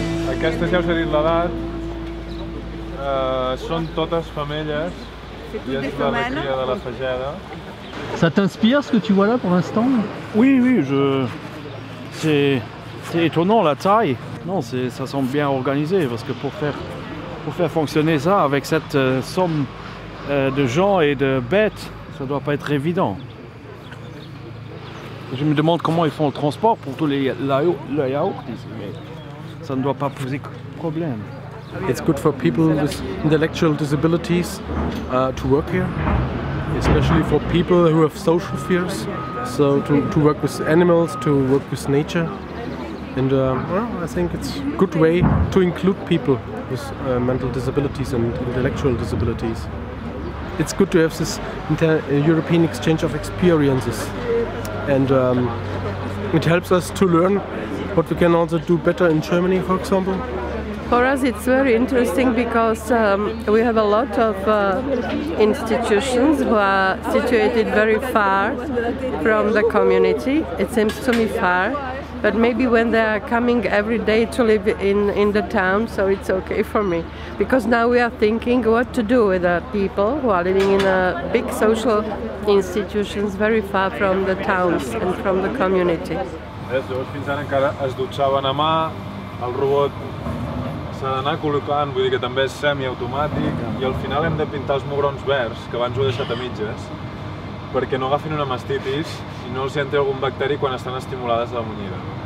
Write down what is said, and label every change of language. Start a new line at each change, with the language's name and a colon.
Catalan: Aquestes, ja us he dit l'edat, són totes femelles i és la recria de la Fagéda.
French: Ça t'inspire ce que tu vois là pour l'instant? Oui, c'est étonnant la taille. Non, ça semble bien organisé parce que pour faire fonctionner ça avec cette somme de gens et de bêtes, ça doit pas être évident. Je me demande comment ils font le transport pour tous les yaourts ici. Ça ne doit pas poser problème.
English: It's good for people with intellectual disabilities to work here, especially for people who have social fears, so to work with animals, to work with nature. And I think it's a good way to include people with mental disabilities and intellectual disabilities. It's good to have this European exchange of experiences, and it helps us to learn what we can also do better in Germany, for example. For us it's very interesting because we have a lot of institutions who are situated very far from the community. It seems to me far, but maybe when they are coming every day to live in the town, so it's okay for me. Because now we are thinking what to do with the people who are living in big social institutions very far from the towns and from the community.
Catalan: Llavors fins ara encara es dutxaven a mà, el robot s'ha d'anar col·locant, vull dir que també és semiautomàtic, i al final hem de pintar els mugrons verds, que abans ho he deixat a mitges, perquè no agafin una mastitis i no els hi entri algun bacteri quan estan estimulades de la munyida.